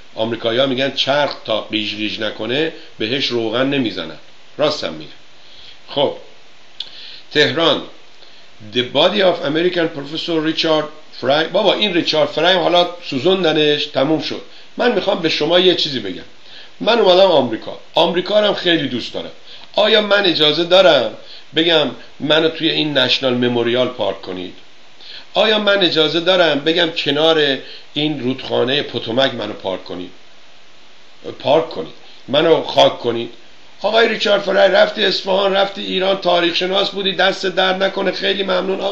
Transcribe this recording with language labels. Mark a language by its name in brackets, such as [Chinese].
[Persian] آمریکایی‌ها میگن چرخ تا قیج قیج نکنه بهش روغن نمیزنن. راست هم میگن. [English] خب Tehran, The Body of American Professor Richard Fry. [Persian] بابا این ریچارد فرای حالا سوزوندنش تموم شد. من میخوام به شما یه چیزی بگم. من اومدم آمریکا. آمریکا رو هم خیلی دوست دارم. آیا من اجازه دارم بگم منو توی این نشنال مموریال پارک کنید؟ آیا من اجازه دارم بگم کنار این رودخانه پتومک منو پارک کنید، منو خاک کنید؟ آقای ریچارد فرای، رفتی اصفهان، رفتی ایران، تاریخ شناس بودی، دست درد نکنه، خیلی ممنون.